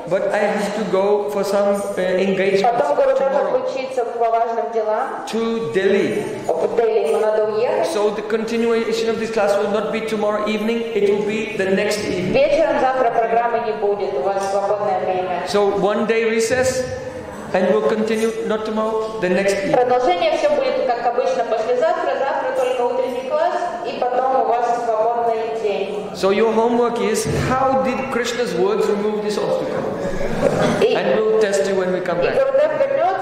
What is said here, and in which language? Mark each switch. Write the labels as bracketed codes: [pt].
[en] But I have to go for some engagement. [ru] Потом Гуру должен учиться по важным делам. [en] To Delhi. [ru] В Дели ему надо уехать. [en] So the continuation of this class will not be tomorrow evening. It will be the next evening. [ru] Вечером завтра программы не будет. У вас свободное время. [en] So one day recess, and we'll continue not tomorrow, the next evening. [ru] Продолжение все будет как обычно послезавтра. Завтра только утренний класс, и потом у вас [en] So your homework is how did Krishna's words remove this obstacle? And we'll test you when we come back.